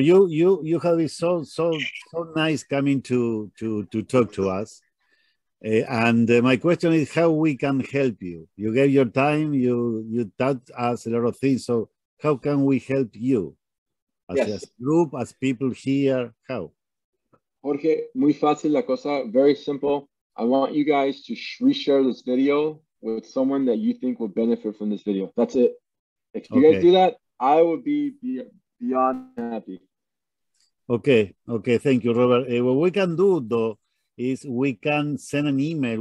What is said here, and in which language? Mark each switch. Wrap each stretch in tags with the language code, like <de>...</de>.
<en>You have been so nice coming to talk to us, and my question is how we can help you. You gave your time, you taught us a lot of things. So how can we help you as a group, as people here? How?</en> <es>Jorge, muy fácil la cosa,</es> <en>very simple. I want you guys to reshare this video with someone that you think will benefit from this video. That's it. If you guys do that, I will be beyond happy. Okay, thank you, Robert. What we can do though is we can send an email.</en>